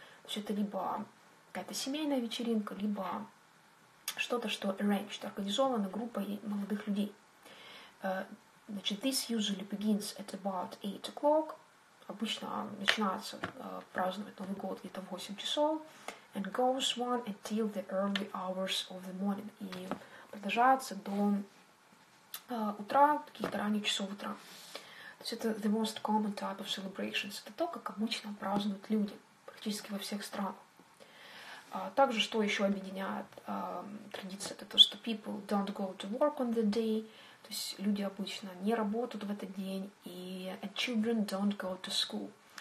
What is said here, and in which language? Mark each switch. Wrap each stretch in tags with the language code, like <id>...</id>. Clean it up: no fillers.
<ru>То есть это либо какая-то семейная вечеринка, либо что-то, что arranged, организовано группой молодых людей.</ru> <en>Значит, this usually begins at about 8 o'clock.</en> <ru>Обычно начинается праздновать Новый год где-то в 8 часов.</ru> <en>And goes on until the early hours of the morning.</en> <ru>И продолжается до утра, каких-то ранних часов утра. То есть это</ru> <en>the most common type of celebrations.</en> <ru>Это то, как обычно празднуют люди практически во всех странах. Также, что еще объединяет традиции, это то, что</ru> <en>people don't go to work on the day,</en> <ru>то есть люди обычно не работают в этот день, и</ru> <en>and children don't go to school.</en>